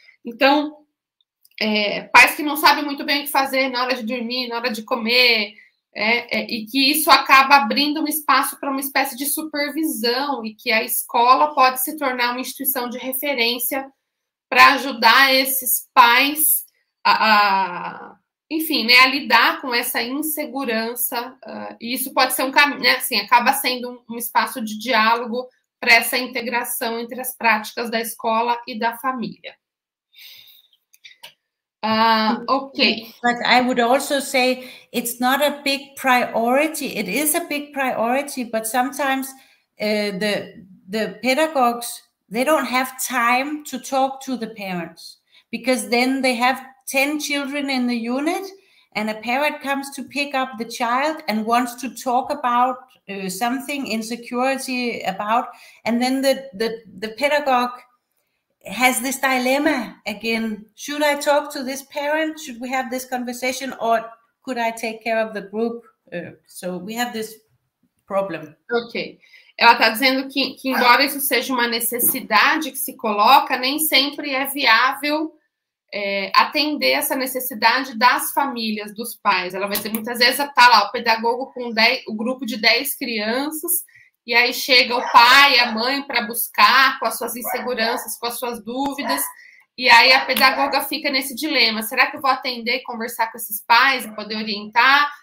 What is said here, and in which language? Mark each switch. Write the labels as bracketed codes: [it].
[pt] Então, pais que não sabem muito bem o que fazer na hora de dormir, na hora de comer, e que isso acaba abrindo um espaço para uma espécie de supervisão e que a escola pode se tornar uma instituição de referência para ajudar esses pais a lidar com essa insegurança, e isso pode ser um caminho, né, assim, acaba sendo um espaço de diálogo para essa integração entre as práticas da escola e da família. [en] Okay. But I would also say it's not a big priority. It is a big priority, but sometimes the pedagogues, they don't have time to talk to the parents because then they have 10 children in the unit and a parent comes to pick up the child and wants to talk about something insecurity about, and then the pedagogue has this dilemma again: should I talk to this parent, should we have this conversation, or could I take care of the group? So we have this problem. Okay. [pt] Ela está dizendo que embora isso seja uma necessidade que se coloca, nem sempre é viável atender essa necessidade das famílias, dos pais. Ela vai dizer, muitas vezes está lá o pedagogo com o grupo de 10 crianças, e aí chega o pai e a mãe para buscar com as suas inseguranças, com as suas dúvidas, e aí a pedagoga fica nesse dilema: será que eu vou atender e conversar com esses pais e poder orientar?